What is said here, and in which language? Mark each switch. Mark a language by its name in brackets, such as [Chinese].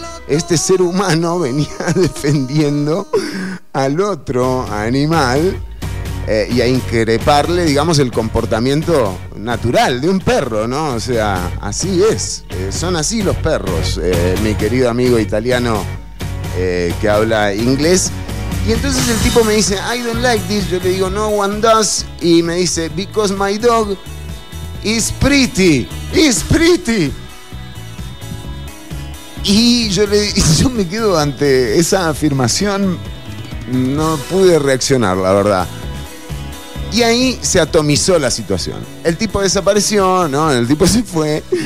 [Spanish] Este ser humano venía defendiendo al otro animal y a increparle, digamos, el comportamiento natural de un perro, ¿no? O sea, así es. Son así los perros, mi querido amigo italiano que habla inglés. Y entonces el tipo me dice, [English] I don't like this. [Spanish] Yo le digo, [English] no one does. [Spanish] Y me dice, [English] because my dog is pretty. Is pretty. [Spanish] Y yo me quedo ante esa afirmación, no pude reaccionar, la verdad. Y ahí se atomizó la situación. El tipo desapareció, ¿no? El tipo se fue.